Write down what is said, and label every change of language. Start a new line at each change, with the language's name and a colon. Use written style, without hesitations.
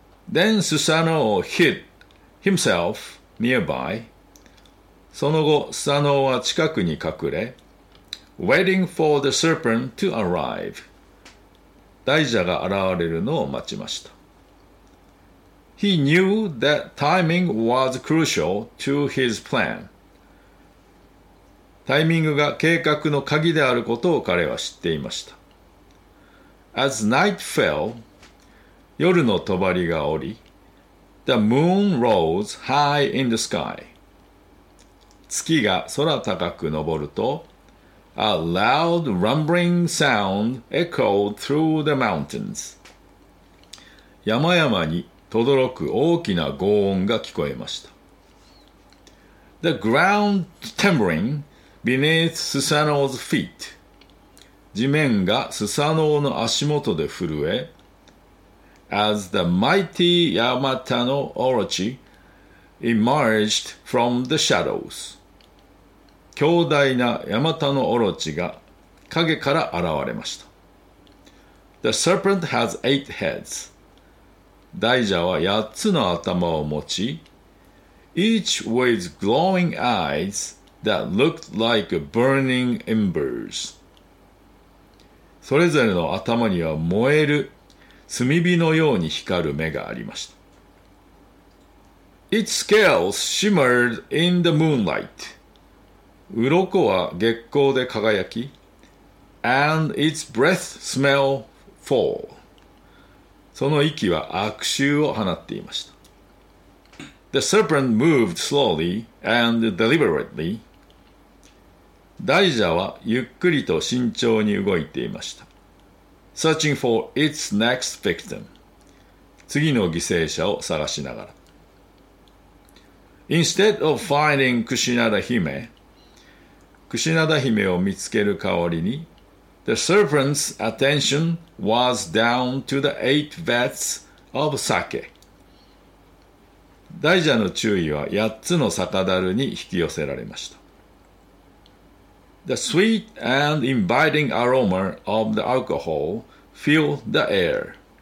English: Then Susano hid himself nearby.
Japanese: その後、スサノオは近くに隠れ、
English: Waiting for the serpent to arrive.
Japanese: 大蛇が現れるのを待ちました。
English: He knew that timing was crucial to his plan.
Japanese: タイミングが計画の鍵であることを彼は知っていました。
English: As night fell,
Japanese: 夜の帳が降り、
English: The moon rose high in the sky.
Japanese: 月が空高く昇ると、
English: A loud rumbling sound echoed through the mountains.
Japanese: 山々に轟く大きな轟音が聞こえました。
English: The ground trembling beneath Susano's feet.
Japanese: 地面がスサノオの足元で震え、
English: As the mighty Yamatano Orochi emerged from the shadows.
Japanese: 強大なヤマタノオロチが影から現れました。
English: The serpent has eight heads.
Japanese: 大蛇は八つの頭を持ち、
English: Each with glowing eyes that looked like burning embers.
Japanese: それぞれの頭には燃える炭火のように光る目がありました。
English: Its scales shimmered in the moonlight.
Japanese: 鱗は月光で輝き、
English: And its breath smelled foul.
Japanese: その息は悪臭を放っていました。
English: The serpent moved slowly and deliberately.
Japanese: 大蛇はゆっくりと慎重に動いていました。
English: Searching for its next victim.
Japanese: 次の犠牲者を探しながら。
English: Instead of finding Kushinada Hime,
Japanese: Kushinada Hime を見つける代わりに、
English: The serpent's attention was down to the eight vats of sake.
Japanese: 大蛇の注意は八つの酒樽に引き寄せられました。
English: The sweet and inviting aroma of the alcohol filled the air.